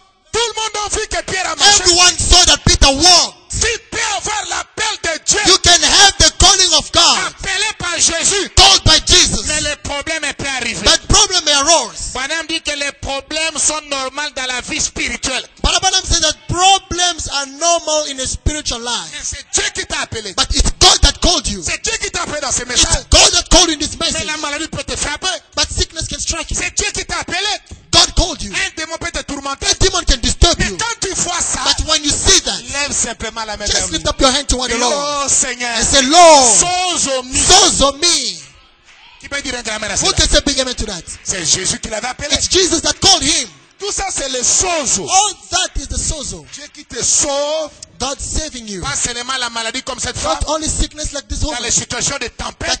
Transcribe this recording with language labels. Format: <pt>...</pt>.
<fr>Tout le monde a vu que Pierre a marché.</fr> <en>Everyone saw that Peter walked.</en> <fr>Si tu peux avoir l'appel de Dieu,</fr> <en>you can have the calling of God.</en> <fr>Appelé par Jésus.</fr> <en>Called by Jesus.</en> <fr>Mais le problème peut arriver.</fr> <en>But problem may arise.</en> <fr>Branham dit que les problèmes sont normaux dans la vie spirituelle.</fr> <en>Branham says that problems are normal in a spiritual life.</en> <fr>C'est Dieu qui t'a appelé.</fr> <en>But it's God that called you.</en> <fr>C'est Dieu qui t'a appelé dans ce message.</fr> <en>It's God that called you in this message.</en> <fr>Mais la maladie peut te frapper.</fr> <en>But sickness can strike you.</en> <fr>C'est Dieu qui t'a appelé.</fr> <en>God told you.</en> <fr>Un démon peut te tourmenter.</fr> <en>A demon can disturb you.</en> <fr>Mais quand tu vois ça,</fr> <en>but when you see that,</en> <fr>lève simplement la main.</fr> <en>Just lift up your hand toward the Lord.</en> <fr>Oh Seigneur.</fr> <en>And say, Lord, sozomi.</en> <fr>Qui peut dire un grand amen à ça?</fr> <en>Who can say big amen to that?</en> <fr>C'est Jésus qui l'avait appelé.</fr> <en>It's Jesus that called him.</en> <fr>Tout ça, c'est le sozo.</fr> <en>All that is the sozo.</en> <fr>Dieu qui te sauve.</fr> <en>God saving you.</en> <fr>Pas seulement la maladie comme cette femme.</fr> <en>Not only sickness like this woman.</en> <fr>Dans les situations de tempête.</fr>